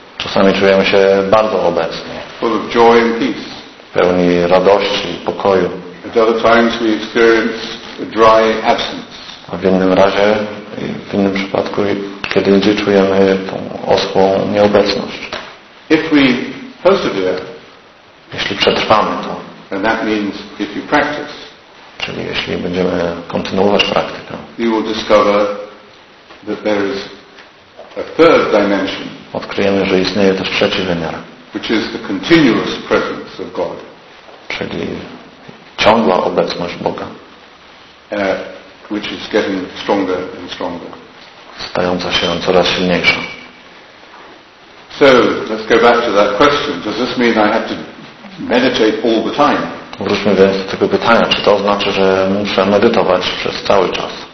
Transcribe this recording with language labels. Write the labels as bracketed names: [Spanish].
[Polish] Czasami czujemy się bardzo obecnie. [English] Full of joy and peace. [Polish] Pełni radości i pokoju. [English] At other times we experience a dry absence. [Polish] A w innym razie, w innym przypadku, kiedy indziej czujemy tą oschłą nieobecność. [English] If we persevere, [Polish] jeśli przetrwamy to, [English] and that means if you practice, [Polish] czyli jeśli będziemy kontynuować praktykę, [English] you will discover that there is a third dimension. [Polish] Odkryjemy, że istnieje też trzeci wymiar, [English] which is the continuous presence of God. [Polish] Czyli ciągła obecność Boga. [English] Which is getting stronger and stronger. [Polish] Stająca się coraz silniejsza. [English] So, let's go back to that question. Does this mean I have to meditate all the time? [Polish] Wróćmy więc do tego pytania. Czy to oznacza, że muszę medytować przez cały czas?